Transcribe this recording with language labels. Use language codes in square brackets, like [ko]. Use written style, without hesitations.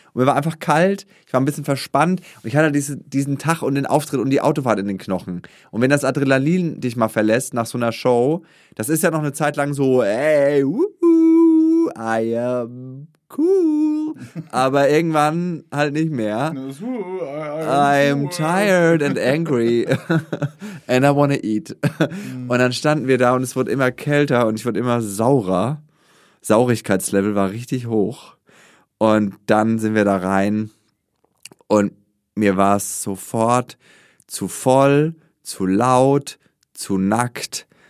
[de] Und mir war einfach kalt, ich war ein bisschen verspannt und ich hatte diesen Tag und den Auftritt und die Autofahrt in den Knochen. Und wenn das Adrenalin dich mal verlässt nach so einer Show, das ist ja noch eine Zeit lang so, ey, woohoo, [en] I am cool, [de] aber irgendwann halt nicht mehr. [en] I'm tired and angry and I wanna eat. [de] Und dann standen wir da und es wurde immer kälter und ich wurde immer saurer. Saurigkeitslevel war richtig hoch. Und dann sind wir da rein und mir war es sofort zu voll, zu laut, zu nackt.